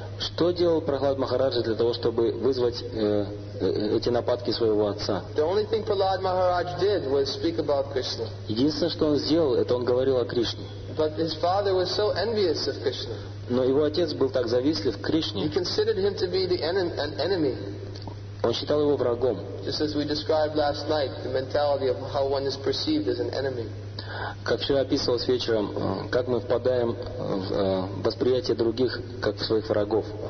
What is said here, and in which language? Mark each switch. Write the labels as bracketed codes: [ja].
[ru] Что делал Прахлад Махараджа для того, чтобы вызвать эти нападки своего отца? Единственное, что он сделал, это он говорил о Кришне. [en] But his father was so envious of Krishna. [ru] Но его отец был так завистлив к Кришне. [en] He considered him to be the enemy. [ru] Он считал его врагом. [en] Just as we described last night, the mentality of how one is perceived as an enemy. [ru] Как вчера описывалось вечером, как мы впадаем в восприятие других как своих врагов.